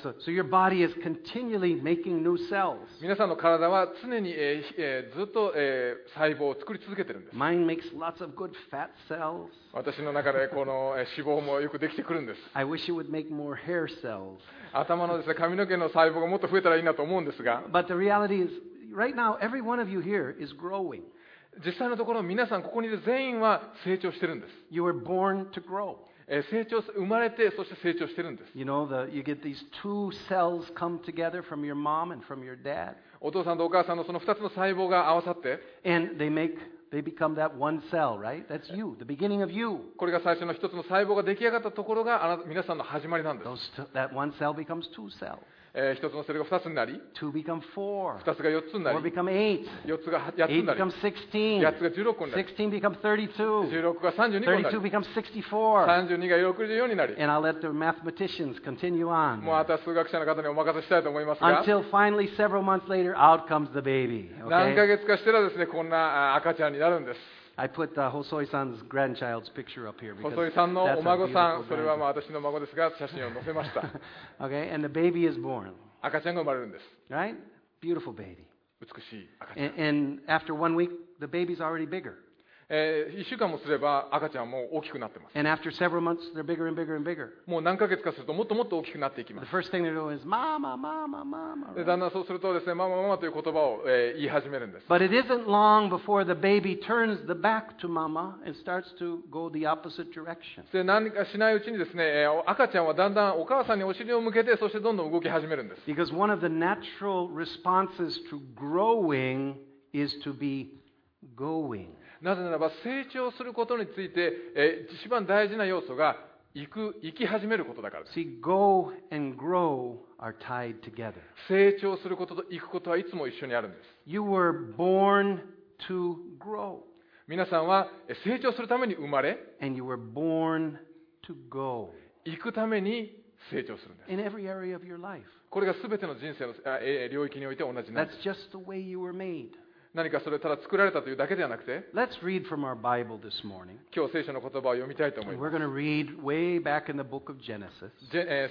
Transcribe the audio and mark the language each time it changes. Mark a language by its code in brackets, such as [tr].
[en] So your body is continually making new cells. [ja] 皆さんの体は常に、ずっと、細胞を作り続けてるんです。 [en] Mine makes lots of good fat cells. [ja] 私の中でこの脂肪もよくできてくるんです。 [en] I wish it would make more hair cells. [ja] 頭のですね、髪の毛の細胞がもっと増えたらいいなと思うんですが。 [en] But the reality is, right now, every one of you here is growing. [ja] 実際のところ、皆さんここにいる全員は成長してるんです。 [en] You were born to grow. [ja] 成長生まれてそして成長してるんです。 [en] You know, you get these two cells come together from your mom and from your dad. [ja] お父さんとお母さんのその2つの細胞が合わさって。 [en] And they make, they become that one cell, right? That's you, the beginning of you. [ja] これが最初の1つの細胞が出来上がったところが皆さんの始まりなんです。 [en] That one cell becomes two cells. [ja] 一つのセルが二つになり、 [en] two become four. [ja] 二つが四つになり、 [en] four become eight. [ja] 四つが八つになり、 [en] eight become sixteen. [ja] 八つが十六になり、 [en] sixteen become thirty-two. [ja] 十六が三十二になり、 [en] thirty-two become sixty-four. [ja] 三十二が六十四になり、 [en] and I'll let the mathematicians continue on. [ja] もうあとは数学者の方にお任せしたいと思いますが、 [en] until finally several months later, out comes the baby. [ja] 何ヶ月かしたらですね、こんな赤ちゃんになるんです。 [en] I put the Hosoi-san's grandchild's picture up here because that's a beautiful grandchild. [ja] それは私の孫ですが、写真を載せました。 [en] Okay, and the baby is born. [ja] 赤ちゃんが生まれるんです。 [en] Right? Beautiful baby. [ja] 美しい赤ちゃん。 [en] And after 1 week, the baby's already bigger. [ja] 1週間もすれば赤ちゃんはもう大きくなってます。 [en] And after several months, they're bigger and bigger and bigger. [ja] もう何ヶ月かするともっともっと大きくなっていきます。 [en] The first thing they do is mama, mama, mama. [ja] で、だんだんそうするとですね、ママママという言葉を、言い始めるんです。 [en] But it isn't long before the baby turns the back to mama and starts to go the opposite direction. [ja] で、何かしないうちにですね、赤ちゃんはだんだんお母さんにお尻を向けて、そしてどんどん動き始めるんです。 [en] Because one of the natural responses to growing is to be going. [ja] なぜならば成長することについて、一番大事な要素が行き始めることだからです。 [en] See, go and grow are tied together. [ja] 成長することと行くことはいつも一緒にあるんです。 [en] You were born to grow. [ja] 皆さんは成長するために生まれ、 [en] and you were born to go. [ja] 行くために成長するんです。 [en] In every area of your life. [ja] これが全ての人生の領域において同じなんです。 [en] That's just the way you were made. [ja] 何かそれただ作られたというだけではなくて、 [en] Let's read from our Bible this morning. [ja] 今日聖書の言葉を読みたいと思います。 [en] We're going to read way back in the book of Genesis.